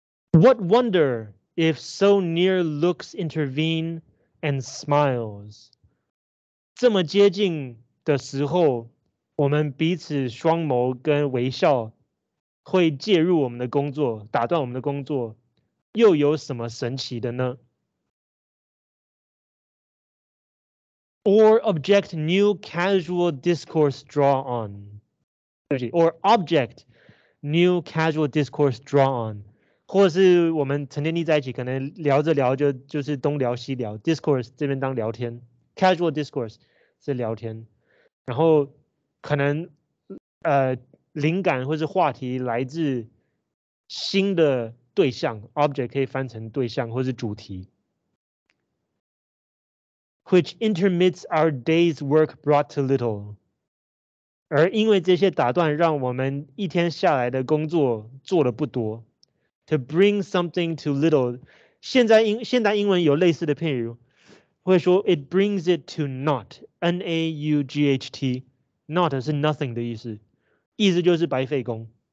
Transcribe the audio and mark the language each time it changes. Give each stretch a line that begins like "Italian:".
English: What wonder if so near looks intervene and smiles?
Chinese: 这么接近的时候我们彼此双眸跟微笑会介入我们的工作，打断我们的工作，又有什么神奇的呢？
English: Or object new casual discourse draw on. Or object new casual discourse draw on.
Chinese: 或是我们成天腻在一起，可能聊着聊着就是东聊西聊， discourse 这边当聊天， casual discourse 是聊天，然后可能灵感或是话题来自新的对象， object 可以翻成对象或是主题。
English: Which intermits our day's work brought to little.
Chinese: 而因为这些打断让我们一天下来的工作做的不多。
English: To bring something to little.
Chinese: 现代英文有类似的片语，会说
English: it brings it to naught,
Chinese: N-A-U-G-H-T. Not 是 nothing 的意思，意思就是白费工。